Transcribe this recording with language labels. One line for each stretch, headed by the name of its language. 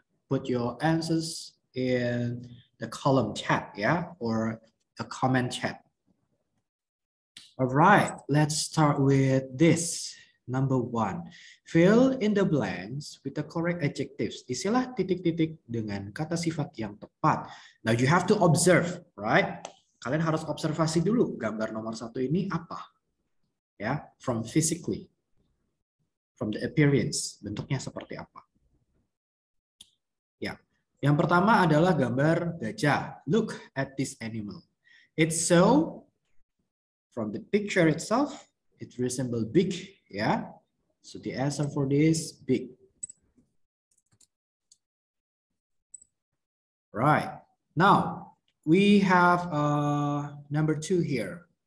English: Put your answers in the column chat, yeah, or the comment chat. All right, let's start with this. Number one, fill in the blanks with the correct adjectives.
Indonesian: Isilah titik-titik dengan kata sifat yang tepat.
English: Now you have to observe, right?
Indonesian: Kalian harus observasi dulu gambar nomor satu ini apa. Ya,
English: from physically. From the appearance,
Indonesian: bentuknya seperti apa. Ya, yang pertama adalah gambar gajah.
English: Look at this animal. It's so, from the picture itself, it resembles big. Ya, so the answer for this, big. Right, now. We have number two here.